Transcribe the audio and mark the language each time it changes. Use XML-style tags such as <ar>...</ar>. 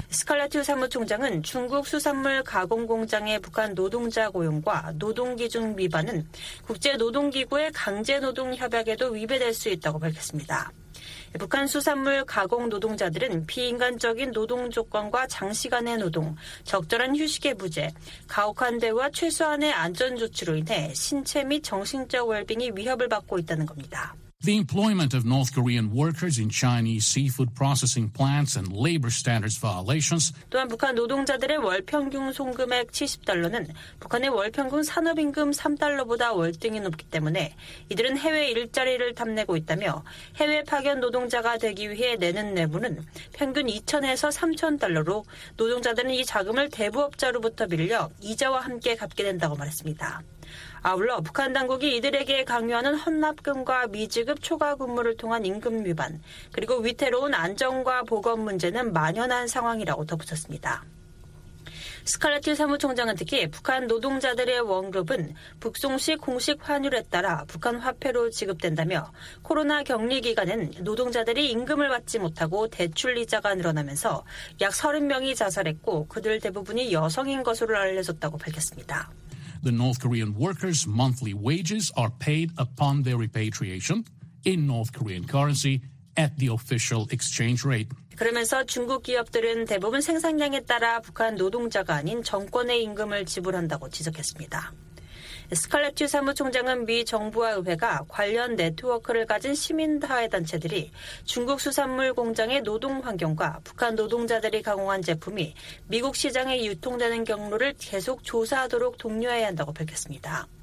<ko>스칼라티우 사무총장은 중국 수산물 가공 공장의 북한 노동자 고용과 노동 기준 위반은 국제 노동 기구의 강제 노동 협약에도 위배될 수 있다고 밝혔습니다. 북한 수산물 가공 노동자들은 비인간적인 노동 조건과 장시간의 노동, 적절한 휴식의 부재, 가혹한 대우와 최소한의 안전 조치로 인해 신체 및 정신적 웰빙이 위협을 받고 있다는 겁니다.</ko> <en>The employment of North Korean workers in Chinese seafood processing plants and labor standards violations.</en> <ko>또한 북한 노동자들의 월 평균 송금액 $70는 북한의 월 평균 산업임금 $3보다 월등히 높기 때문에 이들은 해외 일자리를 탐내고 있다며 해외 파견 노동자가 되기 위해 내는 내부는 평균 2천에서 3천 달러로 노동자들은 이 자금을 대부업자로부터 빌려 이자와 함께 갚게 된다고 말했습니다. 아울러 북한 당국이 이들에게 강요하는 헌납금과 미지급 초과 근무를 통한 임금 위반, 그리고 위태로운 안전과 보건 문제는 만연한 상황이라고 덧붙였습니다. 스칼라티 사무총장은 특히 북한 노동자들의 원급은 북송 시 공식 환율에 따라 북한 화폐로 지급된다며 코로나 격리 기간은 노동자들이 임금을 받지 못하고 대출 이자가 늘어나면서 약 30명이 자살했고 그들 대부분이 여성인 것으로 알려졌다고 밝혔습니다.</ko> <en>The North Korean workers' monthly wages are paid upon their repatriation in North Korean currency at the official exchange rate.</en> <ko>그러면서 중국 기업들은 대부분 생산량에 따라 북한 노동자가 아닌 정권의 임금을 지불한다고 지적했습니다. 스칼렛츠 사무총장은 미 정부와 의회가 관련 네트워크를 가진 시민사회단체들이 중국 수산물 공장의 노동 환경과 북한 노동자들이 가공한 제품이 미국 시장에 유통되는 경로를 계속 조사하도록 독려해야 한다고 밝혔습니다.</ko>